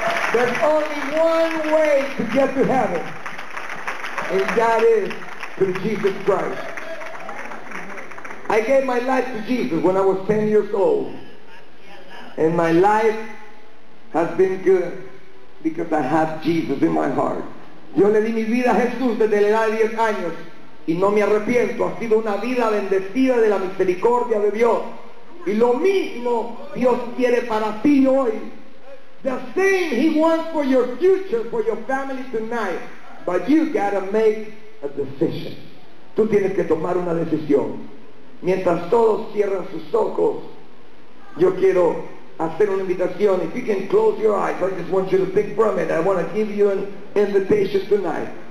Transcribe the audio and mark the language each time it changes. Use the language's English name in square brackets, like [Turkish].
[English] There's only one way to get to heaven, and that is through Jesus Christ. I gave my life to Jesus when I was 10 years old, and my life has been good because I have Jesus in my heart. [Spanish] Yo le di mi vida a Jesús desde la edad de 10 años y no me arrepiento. Ha sido una vida bendecida de la misericordia de Dios. Y lo mismo Dios quiere para ti hoy. [English] The same He wants for your future, for your family tonight. But you gotta make a decision. [Spanish] Tú tienes que tomar una decisión. Mientras todos cierran sus ojos, yo quiero hacer una invitación. [English] If you can close your eyes, I just want you to think from it. I want to give you an invitation tonight.